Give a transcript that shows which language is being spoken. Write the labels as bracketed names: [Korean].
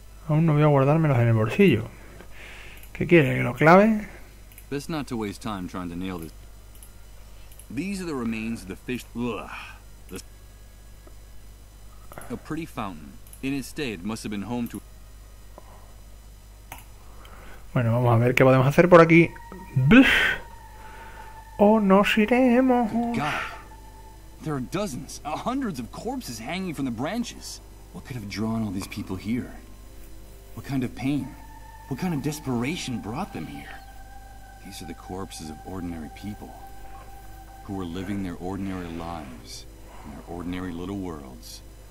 [Spanish] Aún no voy a guardármelos en el bolsillo. ¿Qué quiere, que lo clave? [English] Best not to waste time trying to nail this. These are the remains of the fish. Ugh. A pretty fountain. In its day, it must have been home to. [Spanish] Bueno, vamos a ver qué podemos hacer por aquí. ¡Bush! ¡Oh, nos iremos! [English] God, there are dozens, hundreds of corpses hanging from the branches. What could have drawn all these people here? What kind of pain? What kind of desperation brought them here? These are the corpses of ordinary people who were living their ordinary lives in their ordinary little worlds.